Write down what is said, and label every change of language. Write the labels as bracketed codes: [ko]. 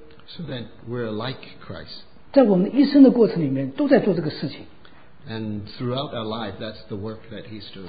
[en] So that we're like Christ. [zh] 在我们一生的过程里面都在做这个事情。 [en] And throughout our life, that's the work that he's doing.